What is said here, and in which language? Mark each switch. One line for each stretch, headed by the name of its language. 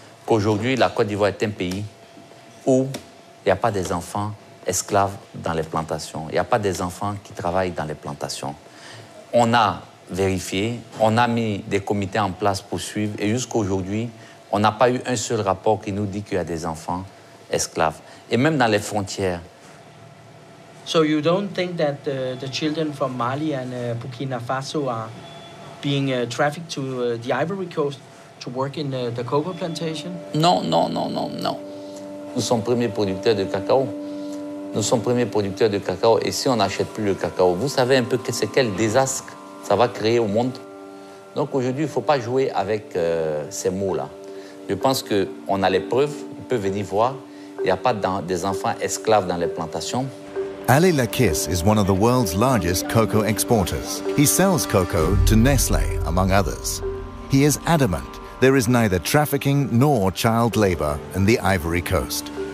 French: Qu'aujourd'hui, la Côte d'Ivoire est un pays où il n'y a pas des enfants esclaves dans les plantations. Il n'y a pas des enfants qui travaillent dans les plantations. On a vérifié, on a mis des comités en place pour suivre. Et jusqu'à aujourd'hui, on n'a pas eu un seul rapport qui nous dit qu'il y a des enfants esclaves. Et même dans les frontières.
English: So you don't think that the children from Mali and Burkina Faso are being trafficked to the Ivory Coast to work in the cocoa plantation?
French: Non, non, non, non, non. Nous sommes premiers producteurs de cacao. Nous sommes premiers producteurs de cacao. Et si on n'achète plus le cacao, vous savez un peu que c'est quel désastre ça va créer au monde. Donc aujourd'hui, il ne faut pas jouer avec ces mots-là. Je pense qu'on a les preuves. On peut venir voir. Il n'y a pas des enfants esclaves dans les plantations.
English: Ali Lakis is one of the world's largest cocoa exporters. He sells cocoa to Nestle, among others. He is adamant there is neither trafficking nor child labor in the Ivory Coast.